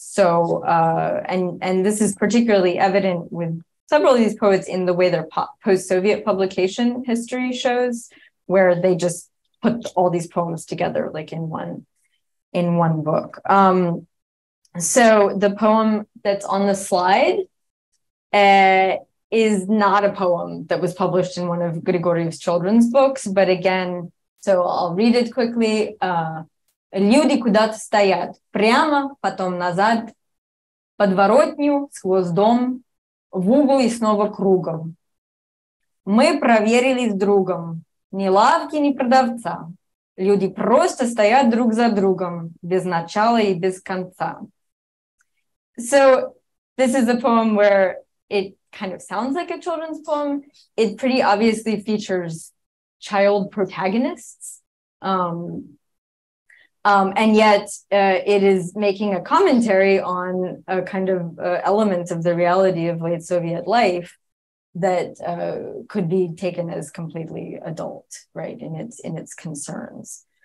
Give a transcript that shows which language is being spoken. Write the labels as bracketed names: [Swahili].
[English] So, and this is particularly evident with several of these poets in the way their post-Soviet publication history shows, where they just put all these poems together like in one book. So the poem that's on the slide is not a poem that was published in one of Grigoriev's children's books, but again, so I'll read it quickly. [Russian] Люди куда-то стоят, прямо, потом назад, подворотню, сквозь дом, в угол и снова кругом. Мы проверили с другом. Ни лавки, ни продавца. Люди просто стоят друг за другом, без начала и без конца. [English] So this is a poem where it kind of sounds like a children's poem. It pretty obviously features child protagonists. And yet it is making a commentary on a kind of element of the reality of late Soviet life that could be taken as completely adult, right, in its concerns.